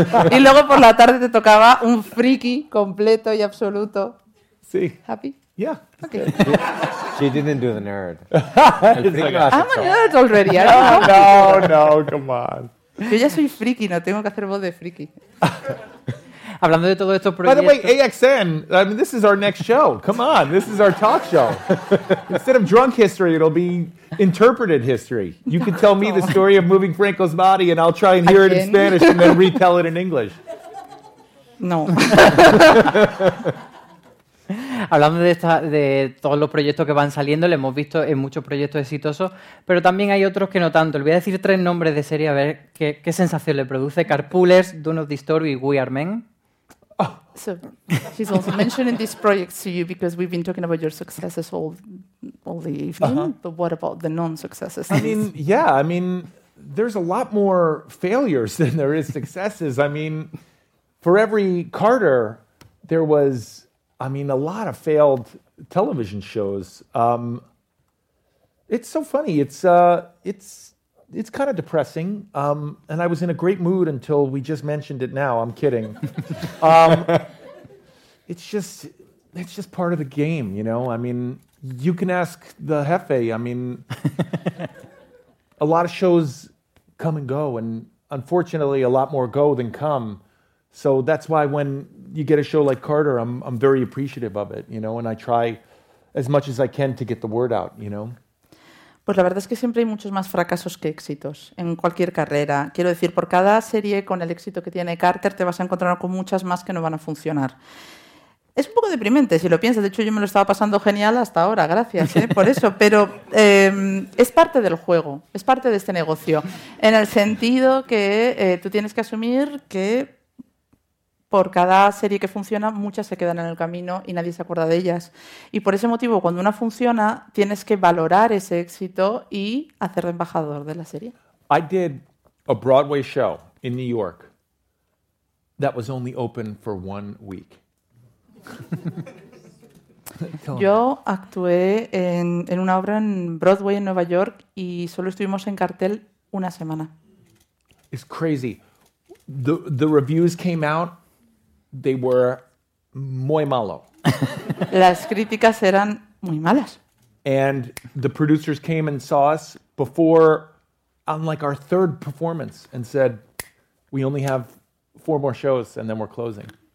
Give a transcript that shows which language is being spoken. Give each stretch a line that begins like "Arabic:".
Spanish: Y luego por la tarde te tocaba un friki completo y absoluto. Sí.
English: Happy? Yeah. Okay. She didn't do the nerd. I'm a nerd already. I don't know. No, come on.
Spanish: Yo ya soy friki, no tengo que hacer voz de friki. Hablando de todo esto,
English: by the way, AXN, I mean, this is our next show. Come on, this is our talk show. Instead of drunk history, it'll be interpreted history. You can tell me the story of moving Franco's body and I'll try and hear it in Spanish and then retell it in English. No.
Spanish: Hablando de todos los proyectos que van saliendo, lo hemos visto en muchos proyectos exitosos, pero también hay otros que no tanto. Le voy a decir 3 nombres de serie a ver qué sensación le produce. Carpoolers, Dawn of the Story y We Are Men.
English: So he's also mentioning these projects to you because we've been talking about your successes all the evening. Uh-huh. But what about the non-successes? I mean, there's a lot more failures than there is successes. I mean, for every Carter, there was, I mean, a lot of failed television shows. It's so funny. It's kind of depressing, and I was in a great mood until we just mentioned it now. I'm kidding. it's just part of the game, you know? I mean, you can ask the jefe. I mean, a lot of shows come and go, and unfortunately a lot more go than come. So that's why when you get a show like Carter, I'm very appreciative of it, you know? And I try as much as I can to get the word out, you know?
Spanish: Pues la verdad es que siempre hay muchos más fracasos que éxitos en cualquier carrera. Quiero decir, por cada serie con el éxito que tiene Carter te vas a encontrar con muchas más que no van a funcionar. Es un poco deprimente, si lo piensas. De hecho, yo me lo estaba pasando genial hasta ahora, gracias, ¿eh?, por eso. Pero es parte del juego, es parte de este negocio. En el sentido que tú tienes que asumir que por cada serie que funciona, muchas se quedan en el camino y nadie se acuerda de ellas. Y por ese motivo, cuando una funciona, tienes que valorar ese éxito y hacer de embajador de la serie.
English: I did a Broadway show in New York that was only open for 1 week.
Spanish: Yo actué en una obra en Broadway en Nueva York y solo estuvimos en cartel 1 semana.
English: It's crazy. The reviews came out. They were
Spanish: muy malo. Las críticas eran muy malas.
English: And the producers came and saw us before, on like our 3rd performance, and said, we only have 4 more shows and then we're closing.